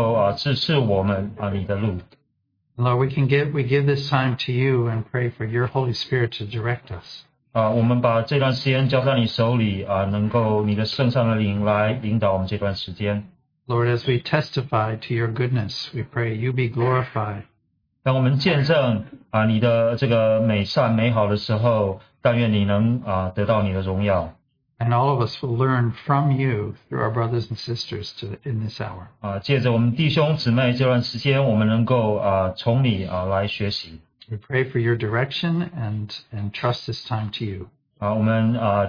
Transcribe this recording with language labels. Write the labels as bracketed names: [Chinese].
[Chinese] 这是我们的祷告，主，你能够指示我们你的路。 [English] Lord, we give this time to you and pray for your Holy Spirit to direct us. [Chinese] 我们把这段时间交在你手里，能够你的圣上的灵来领导我们这段时间。 [English] Lord, as we testify to your goodness, we pray you be glorified. [Chinese] 当我们见证你的这个美善美好的时候，但愿你能得到你的荣耀。 [English] And all of us will learn from you through our brothers and sisters in this hour. [Chinese] 借着我们弟兄姊妹这段时间，我们能够从你来学习。 [English] We pray for your direction and trust this time to you.